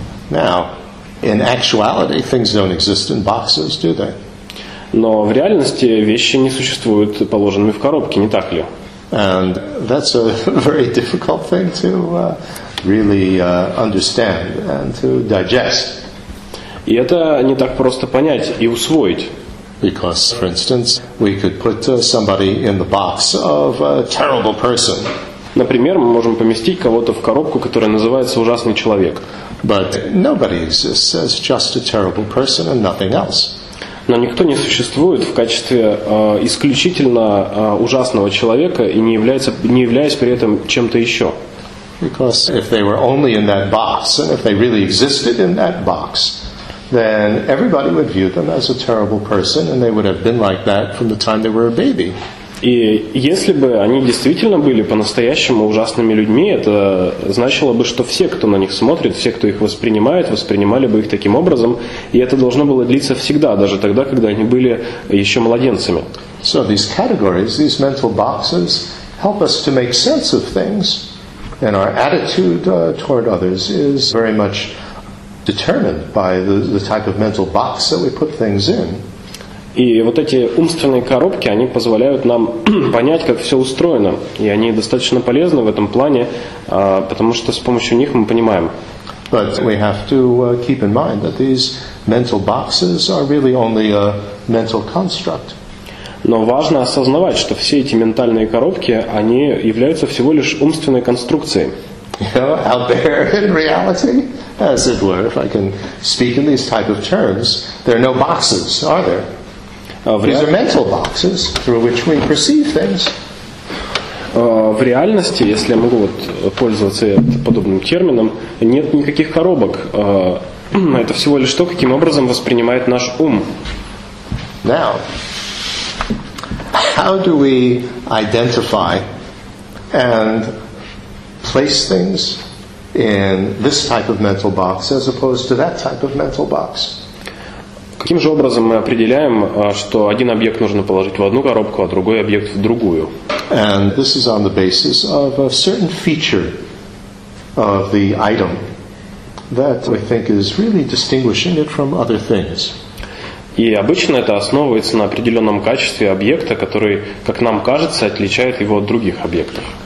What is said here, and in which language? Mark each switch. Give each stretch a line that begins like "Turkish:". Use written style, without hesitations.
English: Now, in actuality, things don't exist in boxes, do they?
Russian: Но в реальности вещи не существуют положенными в коробке, не так ли?
English: And that's a very difficult thing to really understand and to digest.
Russian: И это не так просто понять и усвоить.
English: Because, for instance, we could put somebody in the box of a terrible person.
Russian: Например, мы можем поместить кого-то в коробку, которая называется «ужасный человек».
English: But nobody exists as just a terrible person and nothing else.
Russian: Но никто не существует в качестве исключительно ужасного человека и не являясь при этом чем-то еще.
English: Because if they were only in that box, and if they really existed in that box, then everybody would view them as a terrible person, and they would have been like that from the time they were a baby.
Russian: И если бы они действительно были по-настоящему ужасными людьми, это значило бы, что все, кто на них смотрит, все, кто их воспринимает, воспринимали бы их таким образом, и это должно было длиться всегда, даже тогда, когда они были еще младенцами.
English: So these categories, these mental boxes, help us to make sense of things, and our attitude toward others is very much determined by the type of mental box that we put things in.
Russian: И вот эти умственные коробки, они позволяют нам понять, как все устроено. И они достаточно полезны в этом плане, потому что с помощью них мы понимаем.
English: But we have to keep in mind that these mental boxes are really only a mental construct.
Russian: Но важно осознавать, что все эти ментальные коробки, они являются всего лишь умственной конструкцией.
English: You know, out there in reality, as it were, if I can speak in these type of terms, there are no boxes, are there? These are mental boxes through which we perceive things.
Russian: В реальности, если я могу вот пользоваться подобным термином, нет никаких коробок. Это всего лишь то, каким образом воспринимает наш ум.
English: Now, how do we identify and place things in this type of mental box as opposed to that type of mental box?
Russian: Каким же образом мы определяем, что один объект нужно положить в одну коробку, а другой объект в другую?
English: And this is on the basis of a certain feature of the item that I think is really distinguishing it from other things.
Russian: И обычно это основывается на определенном качестве объекта, который, как нам кажется, отличает его от других объектов.